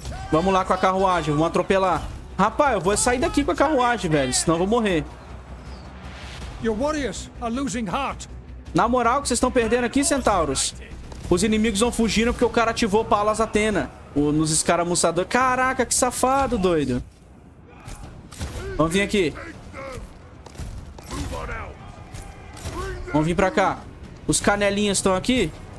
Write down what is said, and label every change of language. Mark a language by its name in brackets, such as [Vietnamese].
[Portuguese] Vamos lá com a carruagem, vamos atropelar. Rapaz, eu vou sair daqui com a carruagem, velho, senão eu vou morrer. [English] Your warriors are losing heart. [Portuguese] Na moral, que vocês estão perdendo aqui, centauros? Os inimigos vão fugindo porque o cara ativou Palas Atena nos escaramuçadores. Caraca, que safado, doido. Vamos vir aqui. Vamos vir pra cá. Os canelinhas estão aqui.